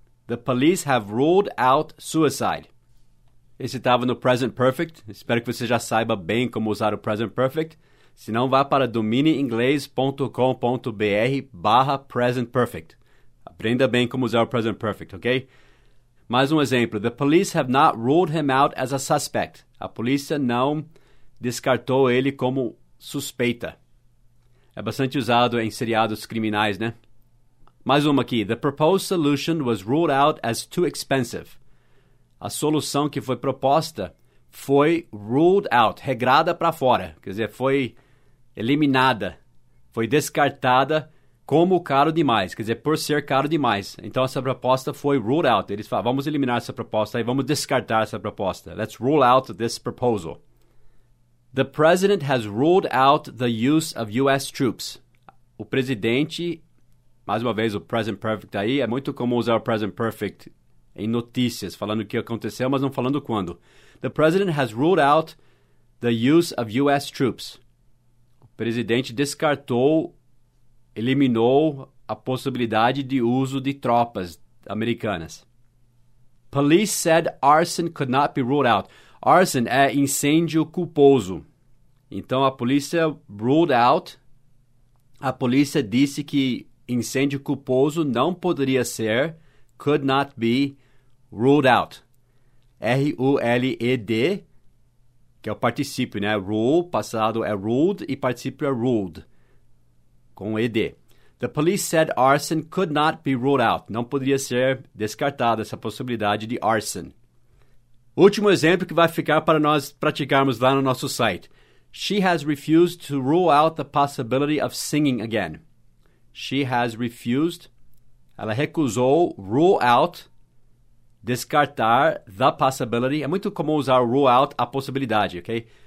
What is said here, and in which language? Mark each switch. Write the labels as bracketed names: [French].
[English] The police have ruled out suicide. [Portuguese] Esse estava no present perfect. Espero que você já saiba bem como usar o present perfect. Se não, vá para dominiinglês.com.br/presentperfect. Aprenda bem como usar o present perfect, ok? Mais um exemplo. [English] The police have not ruled him out as a suspect. [Portuguese] A polícia não descartou ele como suspeita. É bastante usado em seriados criminais, né? Mais uma aqui. [English] The proposed solution was ruled out as too expensive. [Portuguese] A solução que foi proposta foi ruled out, regrada para fora. Quer dizer, foi eliminada, foi descartada como caro demais, quer dizer, por ser caro demais. Então, essa proposta foi ruled out. Eles falam, vamos eliminar essa proposta e vamos descartar essa proposta. [English] Let's rule out this proposal. The president has ruled out the use of U.S. troops. [Portuguese] O presidente, mais uma vez, o present perfect aí, é muito comum usar o present perfect em notícias, falando o que aconteceu, mas não falando quando. [English] The president has ruled out the use of U.S. troops. [Portuguese] O presidente descartou, eliminou a possibilidade de uso de tropas americanas. [English] Police said arson could not be ruled out. [Portuguese] Arson é incêndio culposo. Então, a polícia ruled out. A polícia disse que incêndio culposo não poderia ser, [English] could not be ruled out. [Portuguese] R-U-L-E-D, que é o particípio, né? Rule, passado é ruled e particípio é ruled, com E-D. [English] The police said arson could not be ruled out. [Portuguese] Não poderia ser descartada essa possibilidade de arson. Último exemplo que vai ficar para nós praticarmos lá no nosso site. [English] She has refused to rule out the possibility of singing again. She has refused. [Portuguese] Ela recusou rule out, descartar [English] the possibility. [Portuguese] É muito comum usar rule out, a possibilidade, ok?